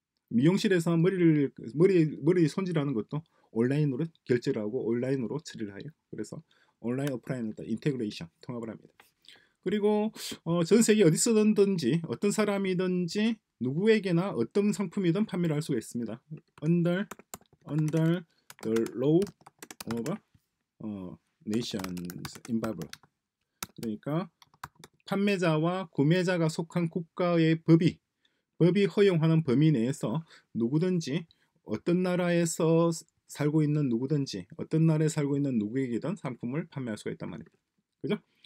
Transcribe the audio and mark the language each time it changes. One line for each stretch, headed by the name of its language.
Korean: 미용실에서 머리 손질하는 것도 온라인으로 결제를 하고 온라인으로 처리를 해요. 그래서 온라인 오프라인을 다 인테그레이션 통합을 합니다. 그리고 전 세계 어디서든지 어떤 사람이든지 누구에게나 어떤 상품이든 판매를 할 수가 있습니다.
English: Under the law of nations involved.
Korean: 그러니까 판매자와 구매자가 속한 국가의 법이 허용하는 범위 내에서 누구든지 어떤 나라에서 살고 있는 누구든지 어떤 나라에 살고 있는 누구에게든 상품을 판매할 수가 있단 말입니다. 그죠?